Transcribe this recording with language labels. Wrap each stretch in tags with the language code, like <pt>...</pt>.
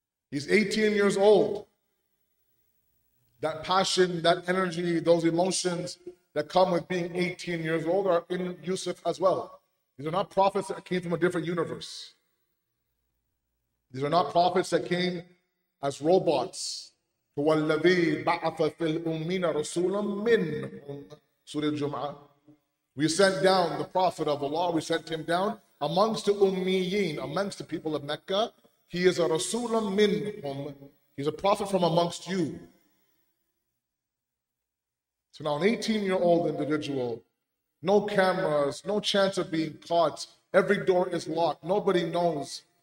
<en>He's 18 years old. That passion, that energy, those emotions that come with being 18 years old are in Yusuf as well. These are not prophets that came from a different universe. These are not prophets that came as robots.</en> <ar>وَالَّذِي بَعَثَ فِي الْأُمِّينَ رَسُولًا مِنْهُمْ Surah Al-Jum'ah.</ar> <en>We sent down the Prophet of Allah, we sent him down amongst the Ummiyin, amongst the people of Mecca. He is a Rasulun minhum. He's a prophet from amongst you. So now an 18-year-old individual, no cameras, no chance of being caught, every door is locked, nobody knows.</en>